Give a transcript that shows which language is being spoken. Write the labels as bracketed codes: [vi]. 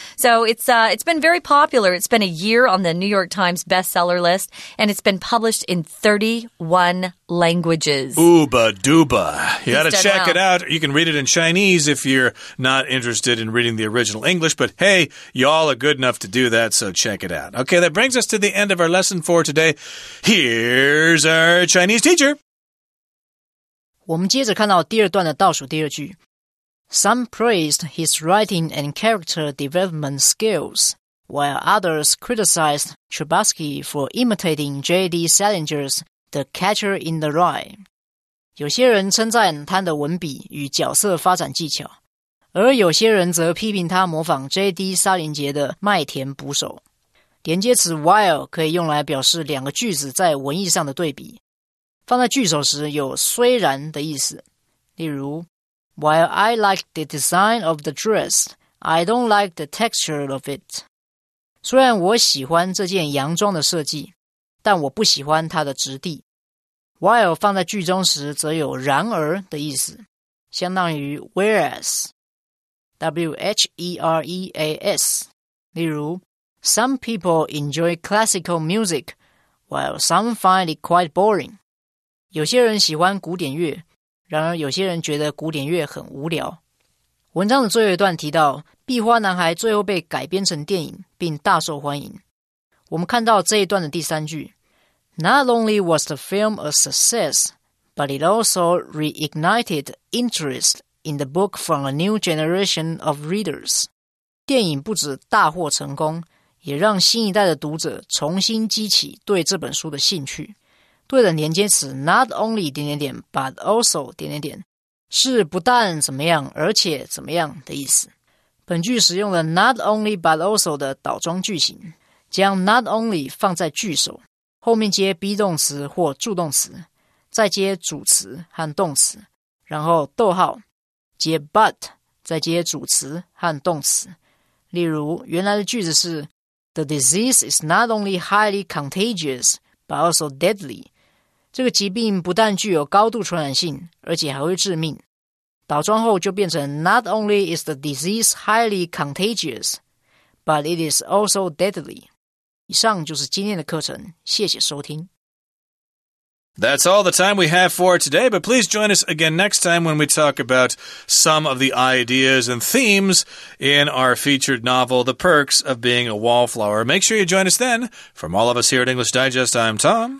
[en] So it's been very popular. It's been a year on the New York Times bestseller list, and it's been published in 31 languages. Ooba dooba. You got to check it out. You can read it in Chinese if you're not interested in reading the original English, but hey, y'all are good enough to do that, so check it out. Okay, that brings us to the end of our lesson for today. Here's our Chinese teacher. [zh] 我们接着看到第二段的倒数第二句。 [en] Some praised his writing and character development skills, while others criticized Chbosky for imitating J.D. Salinger's The Catcher in the Rye. [zh] 有些人称赞他的文笔与角色发展技巧，而有些人则批评他模仿 J.D. Salinger 的麦田捕手。连接词 while 可以用来表示两个句子在文意上的对比，放在句首时有虽然的意思。例如 [en] While I like the design of the dress, I don't like the texture of it. [zh] 虽然我喜欢这件洋装的设计，但我不喜欢它的质地。 While 放在句中时则有然而的意思，相当于 whereas, whereas. 例如 [en] Some people enjoy classical music, while some find it quite boring. [zh] 有些人喜欢古典乐，然而有些人觉得古典乐很无聊。文章的最后一段提到，《壁花男孩》最后被改编成电影，并大受欢迎。我们看到这一段的第三句 [en] Not only was the film a success, but it also reignited interest in the book from a new generation of readers. [zh] 电影不止大获成功，也让新一代的读者重新激起对这本书的兴趣。对的连接词 not only 点点点 but also 点点点是不但怎么样而且怎么样的意思。本句使用了 not only but also 的倒装句型，将 not only 放在句首，后面接 be 动词或助动词，再接主词和动词，然后逗号接 but 再接主词和动词。例如原来的句子是 [en] The disease is not only highly contagious but also deadly， [zh] 这个疾病不但具有高度传染性，而且还会致命。倒装后就变成 [en] Not only is the disease highly contagious, but it is also deadly. [zh] 以上就是今天的课程，谢谢收听。 [en] That's all the time we have for today, but please join us again next time when we talk about some of the ideas and themes in our featured novel, The Perks of Being a Wallflower. Make sure you join us then. From all of us here at English Digest, I'm Tom.